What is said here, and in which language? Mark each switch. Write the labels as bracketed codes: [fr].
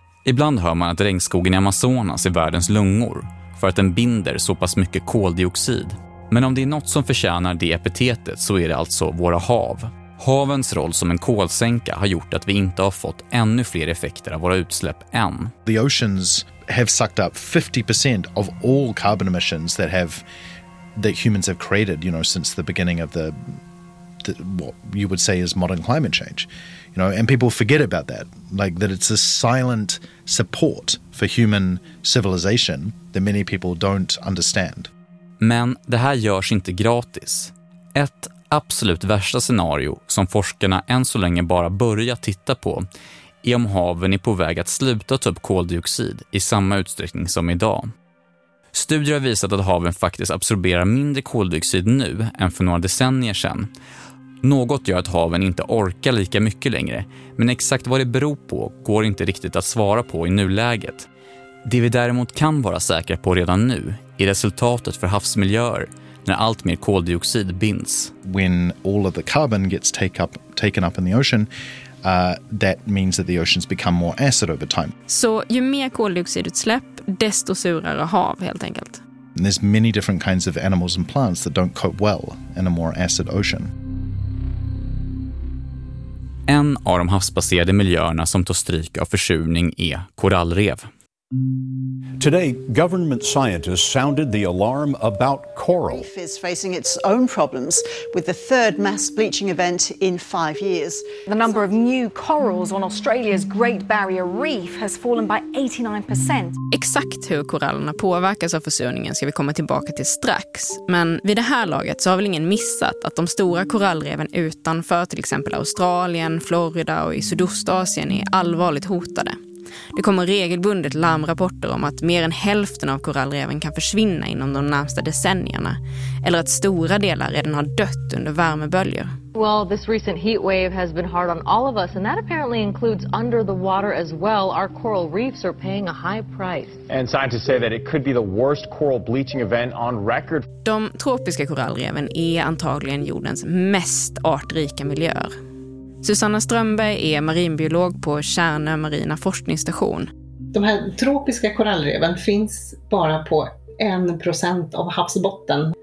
[sv] Ibland hör man att regnskogen i Amazonas är världens lungor för att den binder så pass mycket koldioxid. Men om det är något som förtjänar det epitetet så är det alltså våra hav. Havens roll som en kolsänka har gjort att vi inte har fått ännu fler effekter av våra utsläpp än. [en] The oceans have sucked up 50% of all carbon emissions that have that humans have created, you know, since the beginning of the what you would say is modern climate change. You know, and people forget about that, like that it's a silent support for human civilization that many people don't understand. [sv] Men det här görs inte gratis. Ett absolut värsta scenario som forskarna än så länge bara börjat titta på är om haven är på väg att sluta ta upp koldioxid i samma utsträckning som idag. Studier har visat att haven faktiskt absorberar mindre koldioxid nu än för några decennier sedan. Något gör att haven inte orkar lika mycket längre, men exakt vad det beror på går inte riktigt att svara på i nuläget. Det vi däremot kan vara säkra på redan nu är resultatet för havsmiljöer när allt mer koldioxid binds. [en] When all of the carbon gets taken up in the ocean, that means that the oceans become more acid over time. [sv] Så ju mer koldioxidutsläpp, desto surare hav helt enkelt. [en] And there's many different kinds of animals and plants that don't cope well in a more acid ocean. [sv] En av de havsbaserade miljöerna som tar stryk av försurning är korallrev. [en] Today, government scientists sounded the alarm about coral. Reef is facing its own problems with the third mass bleaching event in 5 years. The number of new corals on Australia's Great Barrier Reef has fallen by 89%. [sv] Exakt hur korallerna påverkas av försurningen ska vi komma tillbaka till strax. Men vid det här laget så har väl ingen missat att de stora korallreven utanför till exempel Australien, Florida och i Sydostasien är allvarligt hotade. Det kommer regelbundet larmrapporter om att mer än hälften av korallreven kan försvinna inom de närmaste decennierna, eller att stora delar redan har dött under värmeböljor. [en] Well, this recent heat wave has been hard on all of us, and that apparently includes under the water as well. Our coral reefs are paying a high price. And scientists say that it could be the worst coral bleaching event on record. [sv] De tropiska korallreven är antagligen jordens mest artrika miljöer. Susanna Strömberg är marinbiolog på Tjärnö marina forskningsstation. De här tropiska korallreven finns bara på 1% av havsbotten.